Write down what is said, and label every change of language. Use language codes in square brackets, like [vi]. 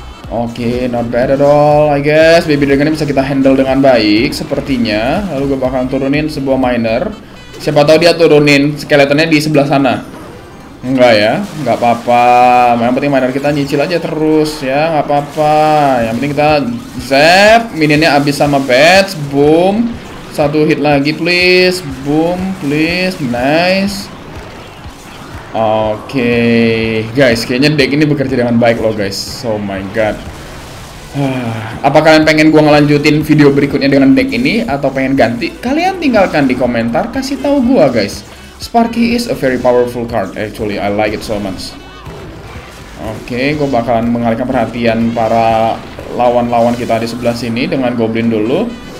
[en] Oke, not bad at all, I guess. [id] Baby Dragon ini bisa kita handle dengan baik, sepertinya. Lalu gue bakal turunin sebuah miner. Siapa tahu dia turunin skeletonnya di sebelah sana. Enggak ya, enggak apa-apa. Yang penting minor kita nyicil aja terus ya, enggak apa-apa. Yang penting kita zap, minionnya habis sama bats, boom. Satu hit lagi [en] please, boom, please, nice. [id] Oke, guys, kayaknya deck ini bekerja dengan baik loh guys. [en] Oh my god. [id] Apa kalian pengen gua ngelanjutin video berikutnya dengan deck ini atau pengen ganti? Kalian tinggalkan di komentar, kasih tahu gua guys. [en] Sparky is a very powerful card, actually. I like it so much. [id] Oke, gua bakalan mengalihkan perhatian para lawan-lawan kita di sebelah sini dengan Goblin dulu.